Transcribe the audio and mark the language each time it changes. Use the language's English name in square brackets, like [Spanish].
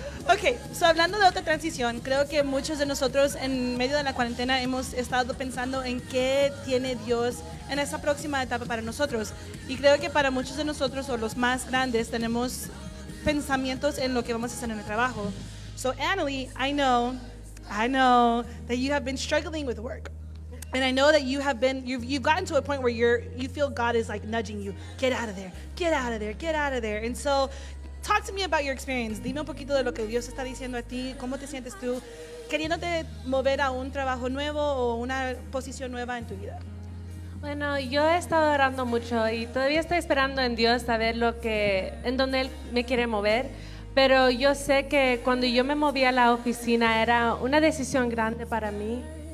[English] Okay, so [Spanish] hablando de otra transición, creo que muchos de nosotros en medio de la cuarentena hemos estado pensando en qué tiene Dios en esa próxima etapa para nosotros. Y creo que para muchos de nosotros, o los más grandes, tenemos pensamientos en lo que vamos a hacer en el trabajo. [English] So, Annalie, I know that you have been struggling with work. And I know that you've gotten to a point where you feel God is like nudging you, get out of there, get out of there, get out of there. And so, talk to me about your experience. [Spanish] Dime un poquito de lo que Dios está diciendo a ti. ¿Cómo te sientes tú queriéndote mover a un trabajo nuevo o una posición nueva en tu vida? Bueno, yo he estado orando mucho y todavía estoy esperando en Dios a ver en dónde Él me quiere mover. Pero yo sé que cuando yo me moví a la oficina era una decisión grande para mí.